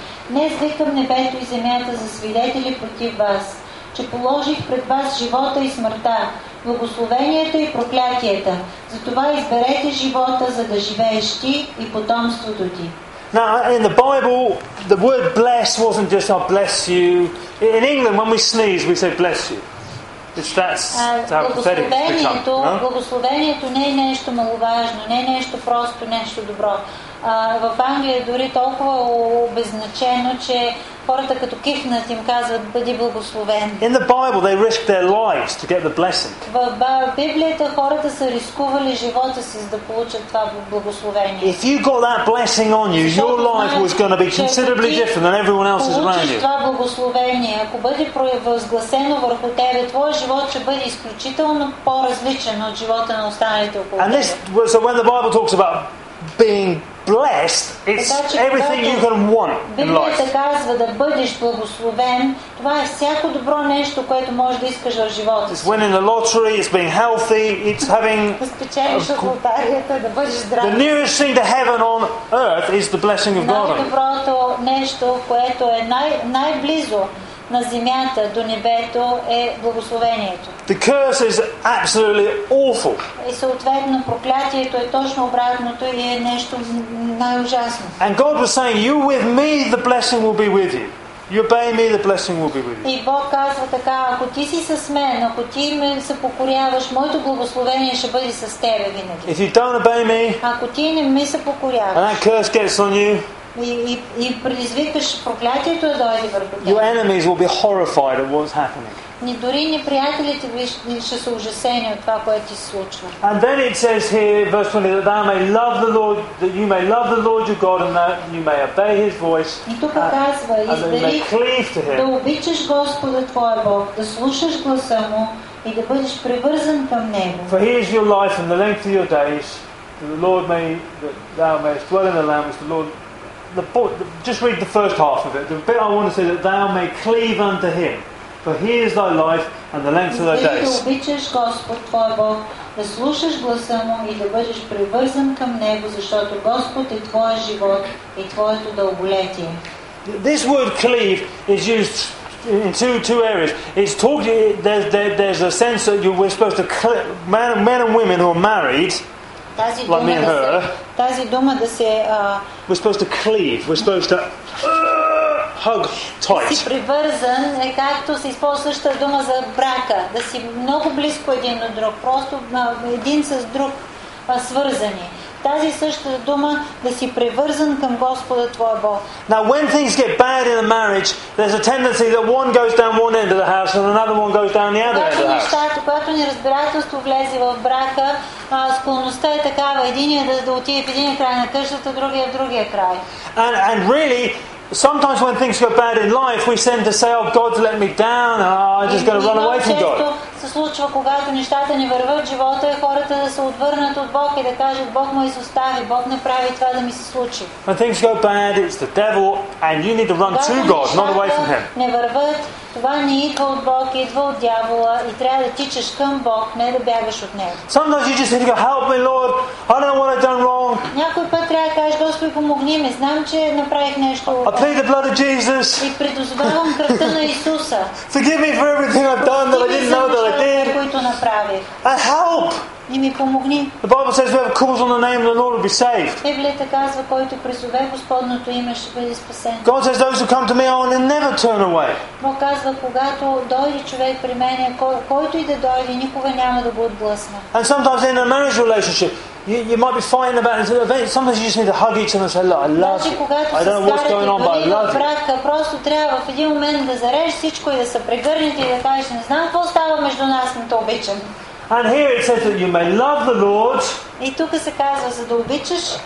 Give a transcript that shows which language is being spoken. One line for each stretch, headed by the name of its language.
Bulgarian: Днес викам небето и земята за свидетели против вас, че положих пред вас живота и смъртта, благословенията и проклятията. Затова изберете живота, за да живееш ти и потомството ти.
English: Now, in the Bible, the word bless wasn't just I bless you. In England, when we sneeze, we say bless you. It's
Bulgarian: благословението не е нещо маловажно, не е нещо просто, нещо добро. В Англия дори толкова обезначено, че Хората като кихнат им казват бъди благословен.
English: In the Bible they risk their lives to get the blessing.
Bulgarian: В Библията хората са рискували живота си за да получат това благословение.
English: If you got that blessing on you, your life was going to be considerably different than everyone else's around you.
Bulgarian: Това благословение, ако бъде провъзгласено върху тебе, твоя живот ще бъде изключително по-различен от живота на останалите около теб.
English: And this was so when the Bible talks about being blessed, it's everything you can want in life.
Bulgarian: Библията казва да бъдеш благословен, това е всяко добро нещо, което можеш да искаш в живота.
English: It's winning the lottery, it's being healthy, it's having the nearest thing to heaven on earth is the blessing of God.
Bulgarian: Най-доброто нещо, което е най-близо на земята до небето е благословението.
English: The curse is absolutely awful.
Bulgarian: И съответно проклятието е точно обратното и е нещо най-ужасно.
English: And God was saying, "You with me, the blessing will be with you. You obey me, the blessing will be with you."
Bulgarian: И Бог казва така: ако ти си с мен, ако ти ме се покоряваш, моето благословение ще бъде с тебе винаги.
English: If you don't obey me,
Bulgarian: ако ти не ми се покоряваш,
English: and that curse gets on you,
Bulgarian: и предизвикаш проклятието да дойде върху теб.
English: Your enemies will be horrified at what's happening.
Bulgarian: Ни дори неприятелите ще са ужасени от това, което ти се случва.
English: And then it says here, verse 20, that thou may love the Lord, that you may love the Lord your God, and that you may obey His voice.
Bulgarian: И тук казва, да обичаш Господа твоя Бог, да слушаш гласа му и да бъдеш привързан към него.
English: For He is your life and the length of your days, that the Lord may, that thou mayest dwell in the land which the Lord. Just read the first half of it. The bit I want to say that thou may cleave unto him, for he is thy life and the length of thy days.
Bulgarian: Да обичаш Господ твой Бог, да слушаш гласа му и да бъдеш привързан към него, защото Господ е твоя живот и твоето дълголетие.
English: This word cleave is used in two areas. It's talking, there's a sense that we're supposed to men and women who are married. Like me and her. We're supposed to cleave. We're supposed to hug tight.
Bulgarian: Си привързан е както се използва същата дума за брака. Да си много близко един от друг. Просто един с друг свързани. Тази същата дума да си привързан към Господа твоя Бог.
English: Now when things get bad in a marriage, there's a tendency that one goes down one end of the house and another one goes down the other end of the house.
Bulgarian: Нещата, когато неразбирателство влезе в брака, склонността е такава, единият да отиде в един край на къщата, другия в другия край.
English: And really, sometimes when things go bad in life, we tend to say, "Oh, God's let me down, and oh, I just got to run away from God."
Bulgarian: Се случва, когато нещата не вървят в живота, хората да се отвърнат от Бог и да кажат, Бог ме изостави, Бог не прави това да ми се случи.
English: When things go bad, it's the devil, and you need to run to God, not away from him.
Bulgarian: Не вървят, това не идва от Бог, идва от дявола и трябва да тичаш към Бог, не да бягаш от него.
English: Sometimes you just need to go, "Help me, Lord. I don't know what I've done wrong."
Bulgarian: Някой път трябва да кажеш, Господи, помогни ми, знам, че направих нещо.
English: I plead the blood of Jesus.
Bulgarian: И предозовавам кръвта на Исуса.
English: Forgive me for everything I've done that I didn't know that I did.
Bulgarian: Които направих.
English: And help.
Bulgarian: И ми помогни.
English: The Bible says whoever calls on the name of the Lord will be saved.
Bulgarian: Библията казва, който призове Господното име, ще бъде спасен.
English: God says those who come to me, I will never turn away.
Bulgarian: Бог казва, когато дойде човек при мен, който и да дойде, никога няма да го отблъсна.
English: And sometimes in a marriage relationship, you might be fighting about it. Sometimes you just need to hug each other and say, "Look, I love you. I don't know what's going on, but I love you."
Bulgarian: Просто трябва в един момент да зарежеш всичко и да се прегърнете и да кажеш, не знам какво става между нас, но те обичам.
English: And here it says that you may love the Lord.
Bulgarian: И тук се казва, за да обичаш.